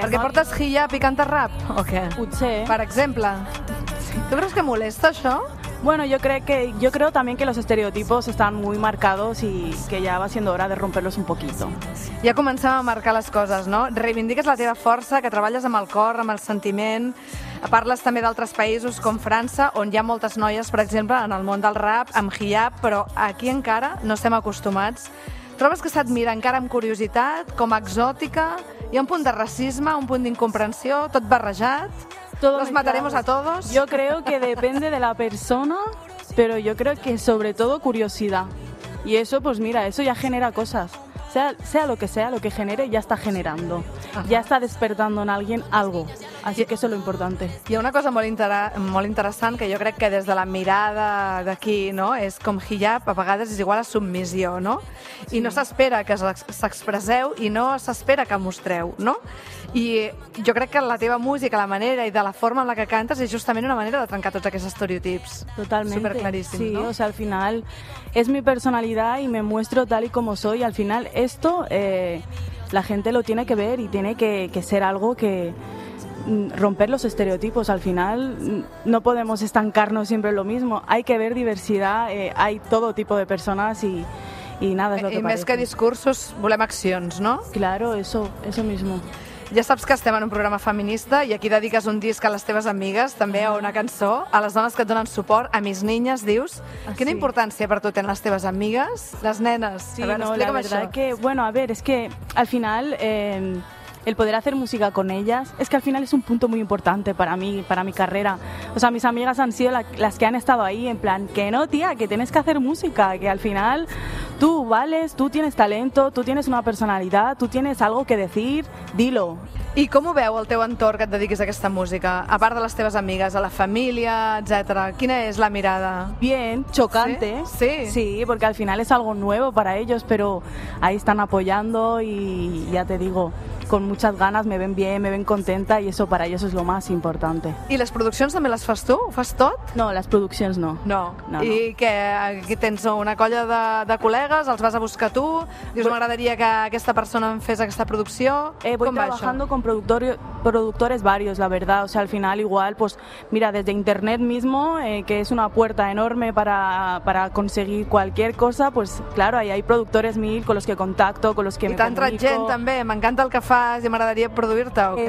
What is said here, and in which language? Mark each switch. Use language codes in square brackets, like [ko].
[ca] ¿Perquè portes hijab i cantes rap o què? Potser. Per exemple. ¿Tú creus que molesta això? [es] Bueno, yo creo también que los estereotipos están muy marcados y que ya va siendo hora de romperlos un poquito. [ca] Ja comencem a marcar les coses, no? Reivindiques la teva força, que treballes amb el cor, amb el sentiment. Parles també d'altres països com França, on hi ha moltes noies, per exemple, en el món del rap, amb hijab, però aquí encara no estem acostumats. Trobes que s'admira encara amb curiositat, com exòtica? Hi ha un punt de racisme, un punt d'incomprensió, tot barrejat? [es] Todo los mataremos a todos. Yo creo que depende de la persona, pero yo creo que sobre todo curiosidad. Y eso, pues mira, eso ya genera cosas. Sea lo que genere, ya está generando. Ajá. Ya está despertando en alguien algo. Así que eso es lo importante. Y una cosa [ca] molt interessant que jo crec que des de la mirada d'aquí, no? És com hijab, a vegades és igual a submissió, no? Sí. I no s'espera que s'expresseu i no s'espera que mostreu, no? I jo crec que la teva música, la manera i de la forma en la que cantes és justament una manera de trencar tots aquests estereotips. Totalment. Superclaríssim, sí, no? [es] Sí, o sea, al final és mi personalitat i me muestro tal i com soy. Al final esto la gente lo tiene que ver y tiene que ser algo que romper los estereotipos. Al final no podemos estancarnos siempre en lo mismo, hay que ver diversidad, hay todo tipo de personas y nada, es lo que [ca] parece. I més que discursos, volem accions, no? [es] Claro, eso mismo. [ca] Ja saps que estem en un programa feminista i aquí dediques un disc a les teves amigues, també a una cançó, a les dones que et donen suport, a mis niñas, dius. Quina sí. importància per tu tenen les teves amigues, les nenes? Sí, a veure, no, explica'm això. [es] Que, bueno, a ver, es que al final... El poder hacer música con ellas es que al final es un punto muy importante para mí, para mi carrera. O sea, mis amigas han sido las que han estado ahí en plan, que no, tía, que tienes que hacer música, que al final tú vales, tú tienes talento, tú tienes una personalidad, tú tienes algo que decir, dilo. [ca] I com ho veu el teu entorn que et dediquis a aquesta música? A part de les teves amigues, a la família, etc. Quina és la mirada? [es] Bien, chocante. Sí? Sí, sí, porque al final es algo nuevo para ellos, pero ahí están apoyando y ya te digo... con muchas ganas, me ven bien, me ven contenta y eso para ellos es lo más importante. ¿Y las producciones también las fas tú? [ca] ¿Ho fas tot? [es] No, las producciones no. No. No. ¿Y no. [ca] que aquí tens una colla de colegas, els vas a buscar tú? Dius, m'agradaria que aquesta persona em fes aquesta producció. [es] Voy trabajando con productores varios, la verdad. O sea, al final igual, pues mira, desde internet mismo, que es una puerta enorme para conseguir cualquier cosa, pues claro, ahí hay productores mil con los que contacto, con los que me comunico. Y tanta gente también, me encanta [ca] el que fas i m'agradaria produir-te o què?